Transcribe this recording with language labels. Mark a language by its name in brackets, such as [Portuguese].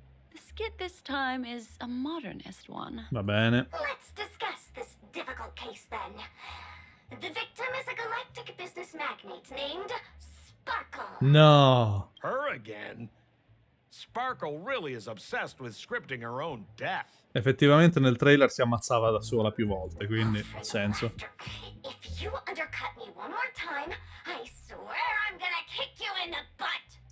[English] The skit this time is a modernist one. [Italian] Va bene. [English] Let's discuss this difficult case then. The victim is a galactic business magnate named Sparkle. No. Her again? Sparkle really is obsessed with scripting her own death. [Italian] Effettivamente nel trailer si ammazzava da sola più volte, quindi ha senso. [English] If you undercut me one more time, I swear I'm gonna kick you in the butt.